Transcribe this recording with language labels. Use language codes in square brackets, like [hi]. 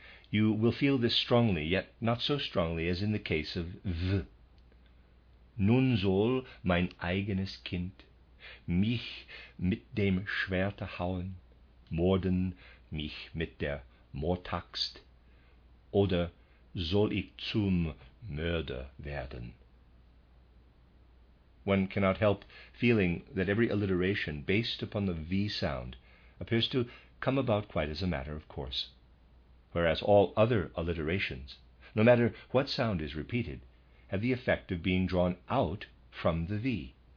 [en] You will feel this strongly, yet not so strongly as in the case of V. [de] Nun soll mein eigenes Kind mich mit dem Schwerte hauen, morden mich mit der Mordaxt, oder soll ich zum Mörder werden? [en] One cannot help feeling that every alliteration based upon the V sound appears to come about quite as a matter of course, whereas all other alliterations, no matter what sound is repeated, have the effect of being drawn out from the V.